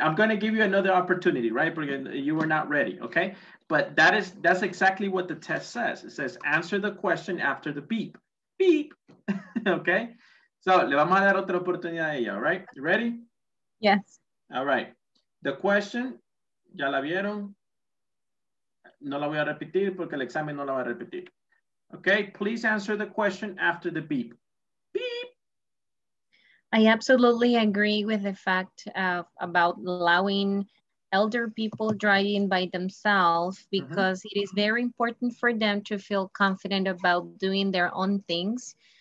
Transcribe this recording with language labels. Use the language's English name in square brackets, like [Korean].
[English] I'm going to give you another opportunity, right? Because you were not ready. Okay. But that's exactly what the test says. It says answer the question after the beep. Beep. Okay. [Spanish] So le vamos a dar otra oportunidad a ella. [English] All right. You ready? Yes. All right. The question, [Spanish] ya la vieron. No la voy a repetir porque el examen no la va a repetir. [English] Okay. Please answer the question after the beep. I absolutely agree with the fact about allowing elder people driving by themselves, because it is very important for them to feel confident about doing their own things.